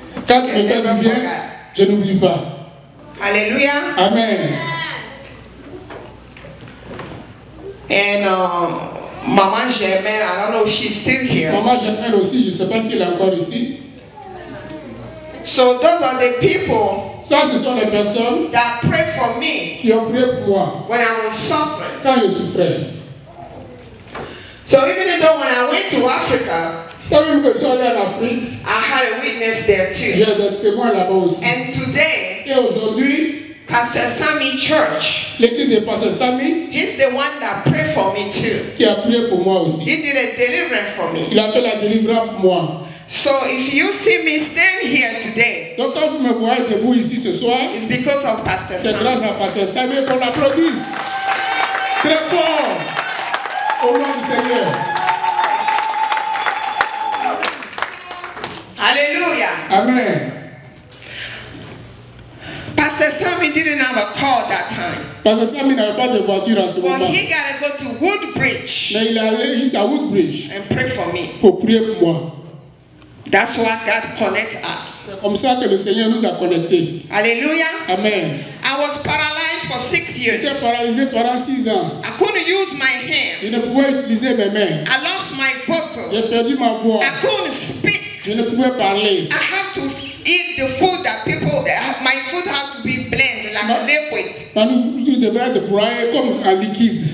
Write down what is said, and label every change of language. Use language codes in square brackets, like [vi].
[fr] quand tu me fais du bien, je n'oublie pas. Alléluia. Amen. [en] And Maman Germaine, I don't know if she's still here. [fr] Maman Germaine aussi, je ne sais pas si elle est encore ici. [en] So those are the people. [fr] Ça, ce sont les personnes [en] that pray for me. [fr] Qui ont prié pour moi. [en] When I was suffering. [fr] Quand je souffrais. [en] So even though when I went to Africa. [fr] Quand je suis allé en Afrique, [en] I had a witness there too. [fr] J'ai des témoins là-bas aussi. [en] And today, [fr] et aujourd'hui, [en] Pastor Sammy Church, [fr] l'église de Pastor Sammy, [en] he's the one that prayed for me too. [fr] Qui a prié pour moi aussi. [en] He did a deliverance for me. [fr] Il a fait la délivrance pour moi. [en] So if you see me stand here today, [fr] donc quand vous me voyez debout ici ce soir, [en] it's because of Pastor Sammy. [fr] C'est grâce à Pastor Sammy qu'on l'applaudisse. Très fort. Au nom du Seigneur. Alléluia. Amen. [en] Pastor Sammy didn't have a car that time. [fr] Pastor Sammy n'avait pas de voiture à ce [en] but [fr] moment. [en] But he gotta go to Woodbridge. [fr] Mais il est allé jusqu'à Woodbridge. [en] And pray for me. [fr] Pour prier pour moi. [en] That's why God connect us. [fr] C'est comme ça que le Seigneur nous a connectés. Alléluia. Amen. [en] I was paralyzed for 6 years. [fr] J'étais paralysé pendant 6 ans. [en] I couldn't use my hand. [fr] Je ne pouvais utiliser mes mains. [en] I lost my vocal. [fr] J'ai perdu ma voix. [en] I couldn't speak. [fr] Je ne pouvais parler. [en] I have to eat the food that people my food had to be blend like liquid. [fr] Ma nourriture devait être broyée comme un liquide.